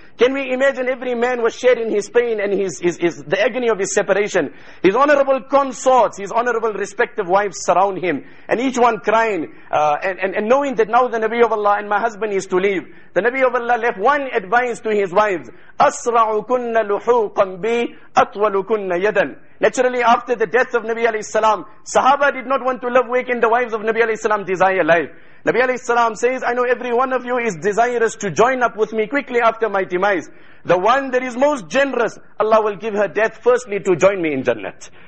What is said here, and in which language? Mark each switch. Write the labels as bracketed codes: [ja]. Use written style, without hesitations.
[en] Can we imagine every man was sharing his pain and his the agony of his separation. His honorable consorts, his honorable respective wives surround him. And each one crying and knowing that now the Nabi of Allah and my husband is to leave. The Nabi of Allah left one advice to his wives. [ar] أَسْرَعُ كُنَّ لُحُوقًا بِي أَطْوَلُ كُنَّ يَدًا. [en] Naturally, after the death of Nabi alayhi salam, Sahaba did not want to love waking the wives of Nabi alayhi salam desire life. Nabi alayhi salam says, I know every one of you is desirous to join up with me quickly after my demise. The one that is most generous, Allah will give her death firstly to join me in Jannat.